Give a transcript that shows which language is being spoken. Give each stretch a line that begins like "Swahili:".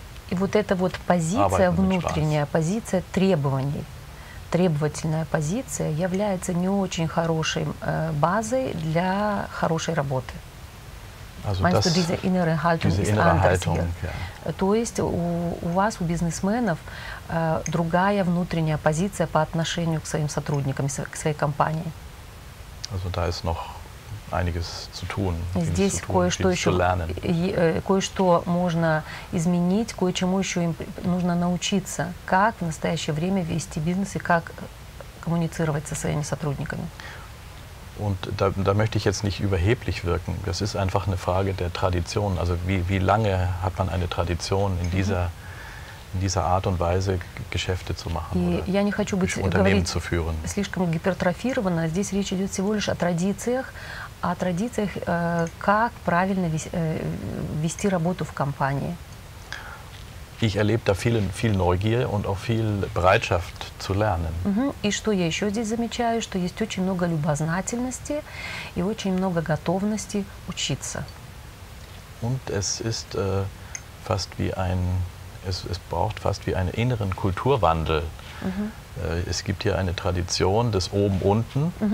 Russian: И вот эта вот позиция внутренняя, позиция требований, требовательная позиция является не очень хорошей базой для хорошей работы.
German: Also diese innere Haltung ist anders hier.
Russian: То есть у вас, у бизнесменов, другая внутренняя позиция по отношению к своим сотрудникам, к своей компании.
German: Also da ist noch einiges zu tun.
Russian: Здесь кое-что еще, кое-что можно изменить, кое-чему еще им нужно научиться, как в настоящее время вести бизнес и как коммуницировать со своими сотрудниками.
German: Und da möchte ich jetzt nicht überheblich wirken. Das ist einfach eine Frage der Tradition. Also wie lange hat man eine Tradition in dieser in dieser Art und Weise Geschäfte zu machen oder Unternehmen zu führen.
Russian: Слишком гипертрофировано. Здесь речь идет всего лишь о традициях. О традициях, как правильно вести работу в компании.
German: Ich erlebe da viel Neugier und auch viel Bereitschaft zu lernen.
Russian: И что я еще здесь замечаю, что есть очень много любознательности и очень много готовности учиться.
German: Und es ist fast wie ein es braucht fast wie einen inneren Kulturwandel. Es gibt hier eine Tradition des oben unten.